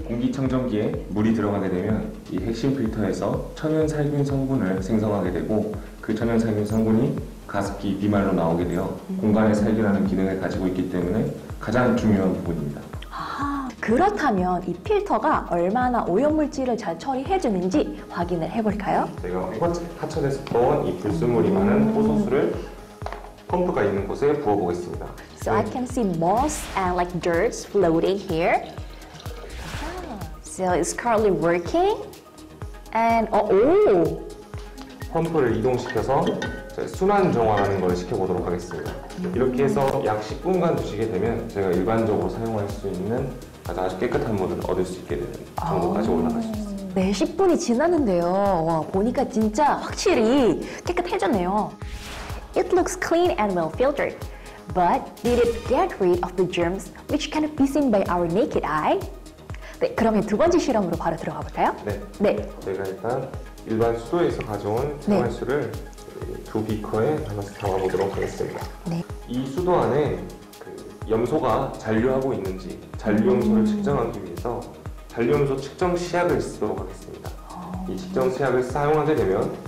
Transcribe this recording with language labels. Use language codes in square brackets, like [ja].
[ko] 공기청정기에 물이 들어가게 되면 이 핵심 필터에서 천연 살균 성분을 생성하게 되고 그 천연 살균 성분이 가습기 미말로 나오게 되어 공간을 살균하는 기능을 가지고 있기 때문에 가장 중요한 부분입니다. 아, 그렇다면 이 필터가 얼마나 오염물질을 잘 처리해주는지 확인을 해볼까요? 저희가 하천에서 떠온 이 불순물이 많은 호소수를 펌프가 있는 곳에 부어보겠습니다. [en] So I can see moss and like dirt floating here. So it's currently working. And oh, oh. [ko] 펌프를 이동시켜서 순환 정화라는 걸 시켜보도록 하겠습니다. 이렇게 해서 약 10분간 두시게 되면 제가 일반적으로 사용할 수 있는 아주 깨끗한 물을 얻을 수 있게 되는 정도까지 올라갈 수 있습니다. 네, 10분이 지났는데요. 와, 보니까 진짜 확실히 깨끗해졌네요. [en] It looks clean and well filtered, but did it get rid of the germs which cannot be seen by our naked eye? [ko] 네, 그러면 두 번째 실험으로 바로 들어가 볼까요? 네. 네. 저희가 일단 일반 수도에서 가져온 생활수를 네. 두 비커에 하나씩 담아 보도록 하겠습니다. 네. 이 수도 안에 그 염소가 잔류하고 있는지 잔류염소를 측정하기 위해서 잔류염소 측정 시약을 쓰도록 하겠습니다. 이 측정 시약을 사용하게 되면